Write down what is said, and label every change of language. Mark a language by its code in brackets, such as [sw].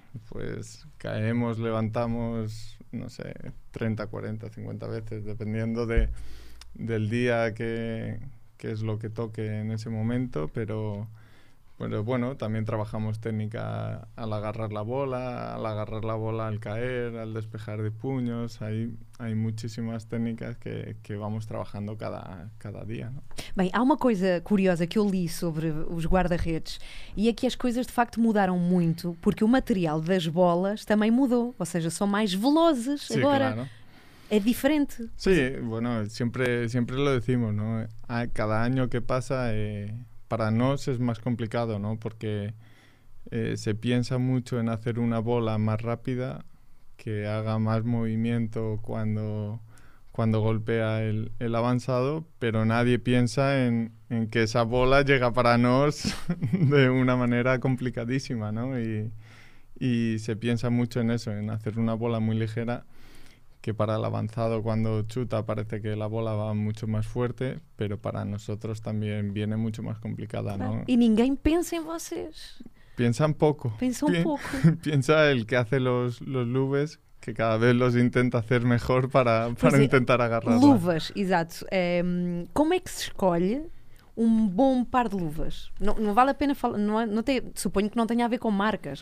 [es] Pues caemos, levantamos, no sé, 30, 40, 50 veces, dependiendo del día que es lo que toque en ese momento, pero... Pero bueno, también trabajamos técnica al agarrar la bola, al caer, al despejar de puños. Hay muchísimas técnicas que vamos trabajando cada día, ¿no? [pt] Bem, há uma coisa curiosa que eu li sobre os guarda-redes e é que as coisas de facto mudaram muito, porque o material das bolas também mudou, ou seja, são mais velozes agora. Claro. É diferente. [es] Sí, bueno, siempre lo decimos, ¿no? Cada año que pasa... Para nos es más complicado, ¿no? Porque se piensa mucho en hacer una bola más rápida, que haga más movimiento cuando golpea el avanzado, pero nadie piensa en que esa bola llega para nos de una manera complicadísima, ¿no? Y se piensa mucho en eso, en hacer una bola muy ligera, que para el avanzado cuando chuta parece que la bola va mucho más fuerte, pero para nosotros también viene mucho más complicada, ¿no? Y ninguém piensa en vocês. Piensa un poco. Piensa el que hace los lubes, que cada vez los intenta hacer mejor para intentar agarrarla. [pt] Luvas, exacto. [es] ¿Cómo es que se escolhe un buen par de luvas? No vale la pena falar, no te, supongo que no tenga a ver con marcas.